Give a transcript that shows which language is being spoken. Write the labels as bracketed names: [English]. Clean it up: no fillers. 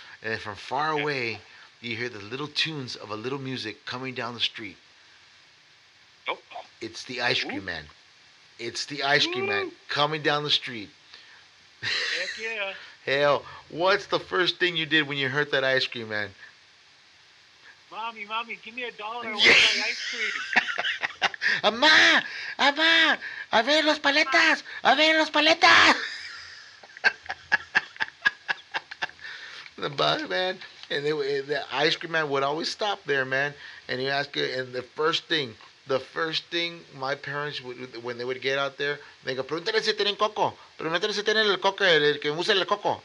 [English] And from far away, you hear the little tunes of a little music coming down the street. Oh. It's the ice cream man. It's the ice cream man coming down the street. Heck yeah. Hell, what's the first thing you did when you heard that ice cream man? Mommy, give me a dollar. I want my ice cream. [Spanish] Amá, amá, a ver los paletas, a ver los paletas. [English] The bus, man. And the ice cream man would always stop there, man. And he'd ask you, and the first thing my parents would, when they would get out there, they go, [Spanish] pregúntale si tienen coco. Pregúntale si tienen el coco, el que usa el coco.